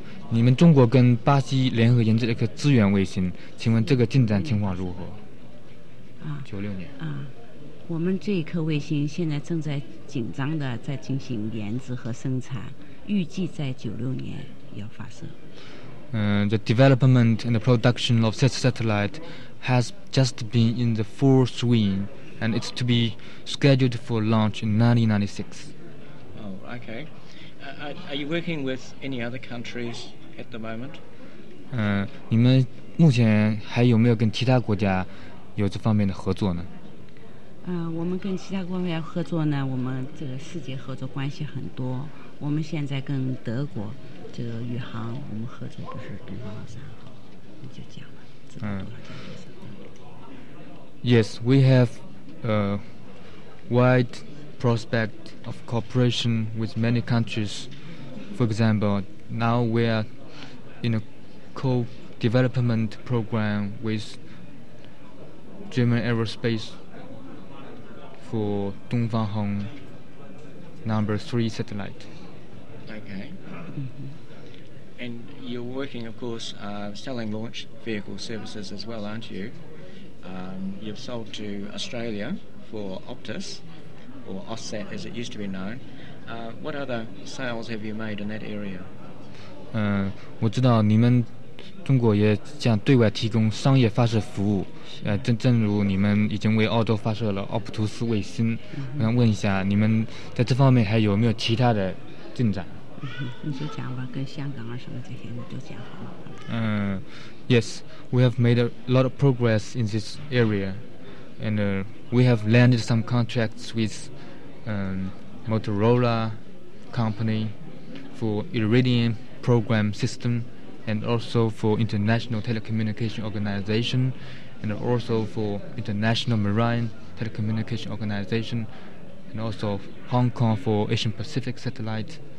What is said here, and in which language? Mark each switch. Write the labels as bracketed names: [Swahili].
[Chinese] 你们中国跟巴西联合研制了一颗资源卫星，请问这个进展情况如何？ 96年，我们这一颗卫星现在正在紧张的在进行研制和生产，预计在96年要发射。 [English] The development and the production of such satellite has just been in the full swing, and it's to be scheduled for launch in 1996. Oh, okay. Are you working with any other countries at the moment? [Chinese] 你们目前还有没有跟其他国家有这方面的合作呢？我们跟其他国家合作呢，我们这个世界合作关系很多。我们现在跟德国这个宇航，我们合作不是东方三号，你就讲了。 [English] Yes, we have a wide prospect of cooperation with many countries. For example, now we are in a co-development program with German Aerospace for Dongfanghong number 3 satellite. Okay. And you're working, of course, selling launch vehicle services as well, aren't you? You've sold to Australia for Optus, or OSSAT as it used to be known. What other sales have you made in that area? [Chinese] 我知道你们中国也将对外提供商业发射服务，正如你们已经为澳洲发射了奥普图斯卫星，我想问一下，你们在这方面还有没有其他的进展？你就讲吧，跟香港啊什么这些你都讲好了。 [English] Yes, we have made a lot of progress in this area, and we have landed some contracts with Motorola company for Iridium program system. And also for International Telecommunication Organization, and also for International Marine Telecommunication Organization, and also Hong Kong for Asian Pacific Satellite.